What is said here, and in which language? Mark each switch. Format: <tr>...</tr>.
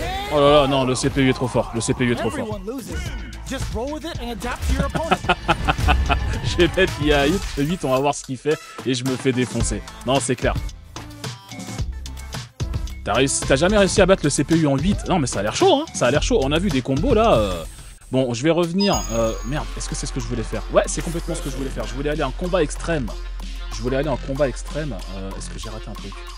<fr>Oh là là, non, le CPU est trop fort, le CPU est trop fort.</fr> <en>Just roll with it and adapt to your opponent.</en> <fr>J'ai fait l'IA 8, on va voir ce qu'il fait et je me fais défoncer. Non, c'est clair. T'as jamais réussi à battre le CPU en 8? Non, mais ça a l'air chaud, hein. Ça a l'air chaud. On a vu des combos là. Bon, je vais revenir. Merde, est-ce que c'est ce que je voulais faire? Ouais, c'est complètement ce que je voulais faire. Je voulais aller en combat extrême. Je voulais aller en combat extrême. Est-ce que j'ai raté un truc?</fr>